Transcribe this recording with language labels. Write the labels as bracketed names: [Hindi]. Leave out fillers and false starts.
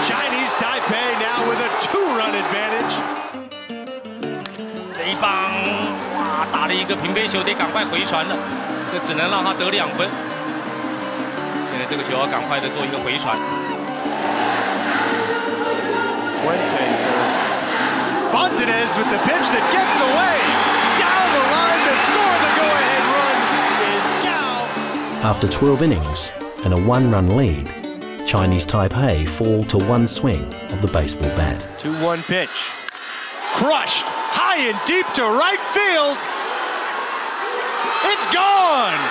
[English] Chinese Taipei now with a two-run advantage. [Chinese] 这一棒。打了一个平飞球，得赶快回传了，这只能让他得两分。现在这个球要赶快的做一个回传。Fuentes [English] Fuentes with the pitch that gets away down the line to score the go-ahead run is Gao. After 12 innings and a one-run lead, Chinese Taipei fall to one swing of the baseball bat. 2-1 pitch, crushed high and deep to right field. It's gone!